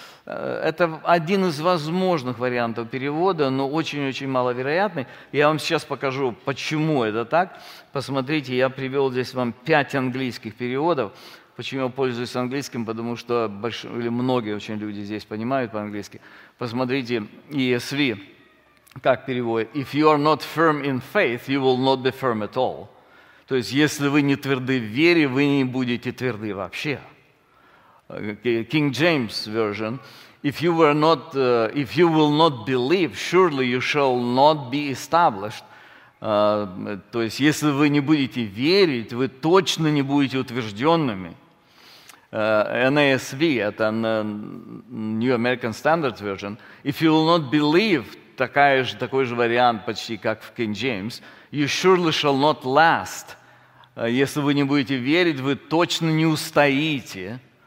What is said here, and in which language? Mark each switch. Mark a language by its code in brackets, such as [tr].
[ru] Это один из возможных вариантов перевода, но очень-очень маловероятный. Я вам сейчас покажу, почему это так. Посмотрите, я привел здесь вам 5 английских переводов. Почему я пользуюсь английским? Потому что многие очень люди здесь понимают по-английски. Посмотрите, ESV, как переводит. [en] If you are not firm in faith, you will not be firm at all. [ru] То есть, если вы не тверды в вере, вы не будете тверды вообще. [en] King James Version. If you will not believe, surely you shall not be established. [ru] То есть, если вы не будете верить, вы точно не будете утвержденными. NASV, это New American Standard Version. [en] If you will not believe, [ru] такой же вариант почти, как в King James, [en] you surely shall not last. [ru] Если вы не будете верить, вы точно не устоите.